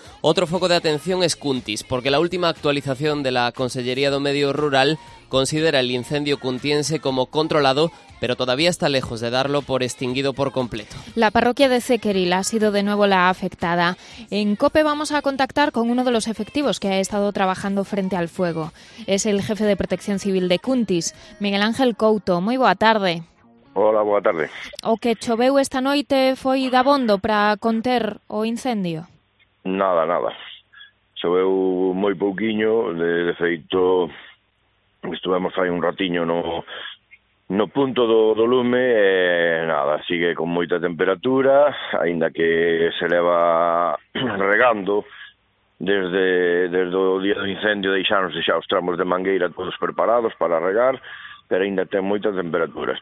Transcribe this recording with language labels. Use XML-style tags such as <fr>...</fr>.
<es>Otro foco de atención es Cuntis, porque la última actualización de la Consellería do Medio Rural considera el incendio cuntiense como controlado, pero todavía está lejos de darlo por extinguido por completo. La parroquia de Zequeril ha sido de nuevo la afectada. En COPE vamos a contactar con uno de los efectivos que ha estado trabajando frente al fuego. Es el jefe de Protección Civil de Cuntis, Miguel Ángel Couto.</es> <gl>Muy boa tarde. Hola, boa tarde. O que choveu esta noite foi dabondo para conter o incendio? Nada, nada. Choveu moi pouquiño, de feito estuvemos aí un ratiño no punto do lume, nada, sigue con moita temperatura, aínda que se leva regando desde o día do incendio, deixáronse xa os tramos de mangueira todos preparados para regar, pero aínda ten moita temperatura.</gl>